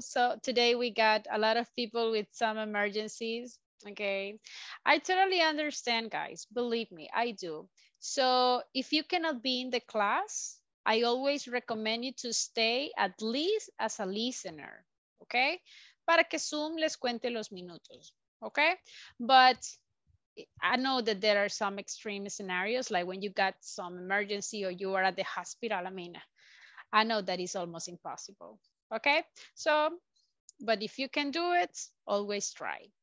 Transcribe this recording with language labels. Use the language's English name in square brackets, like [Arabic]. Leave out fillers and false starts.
[English] So today we got a lot of people with some emergencies. Okay, I totally understand, guys. Believe me, I do. So if you cannot be in the class, I always recommend you to stay at least as a listener, okay? [Spanish] Para que Zoom les cuente los minutos, okay? [English] But I know that there are some extreme scenarios, like when you got some emergency or you are at the hospital, I mean, I know that is almost impossible, okay? So, but if you can do it, always try.